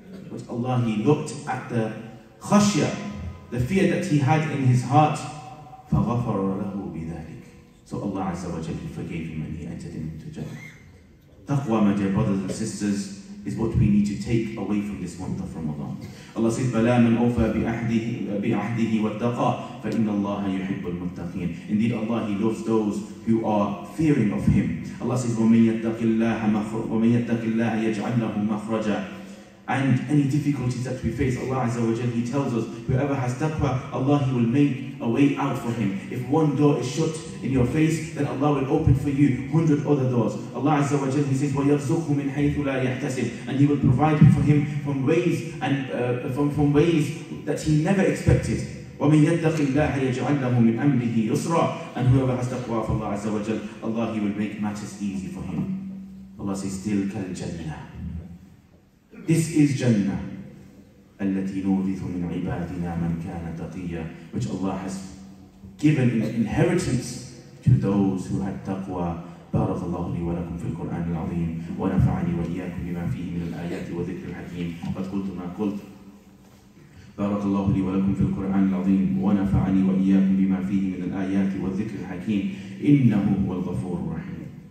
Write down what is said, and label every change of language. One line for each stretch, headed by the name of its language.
English: But Allah, He looked at the khashya, the fear that he had in his heart.
Arabic: فَغَفَرَ لَهُ بِذَٰلِكَ.
English: So Allah Azza wa Jalla, He forgave him and he entered him into Jannah. Taqwa, my dear brothers and sisters, is what we need to take away from this month of Ramadan. Allah says,
Arabic: "بَلَا مَنْ أَوْفَى بِعَهْدِهِ وَاتَّقَى فَإِنَّ اللَّهَ يُحِبُّ الْمُتَّقِينَ."
English: Indeed, Allah, He loves those who are fearing of Him. Allah says,
Arabic: وَمَنْ يَتَّقِ اللَّهَ يَجْعَلْ لَهُ مَخْرَجًا.
English: And any difficulties that we face, Allah Azza wa Jal, He tells us, whoever has taqwa, Allah, He will make a way out for him. If one door is shut in your face, then Allah will open for you 100 other doors. Allah Azza wa Jal, He says,
Arabic: وَيَرْزُقُهُ مِنْ حَيْثُ لَا يَحْتَسِبُ.
English: And He will provide for him from ways and from ways that he never expected.
Arabic: وَمِنْ يَتَّقِ اللَّهَ يَجْعَلْ لَهُ مِنْ أَمْرِهِ يُسْرًا.
English: And whoever has taqwa of Allah Azza wa Jal, Allah, He will make matters easy for him. Allah says,
Arabic: تِلْكَ الْجَنَّةُ.
English: This is Jannah,
Arabic: التي نورث من عبادنا من كان تقيا,
English: which Allah has given in inheritance to those who had taqwa.
Arabic: بارك الله لي ولكم في القرآن العظيم ونفعني وإياكم بما فيه من الآيات وذكر الحكيم. قد قلت ما قلت. بارك الله لي ولكم في القرآن العظيم ونفعني وإياكم بما فيه من الآيات وذكر الحكيم إنه هو الغفور الرحيم.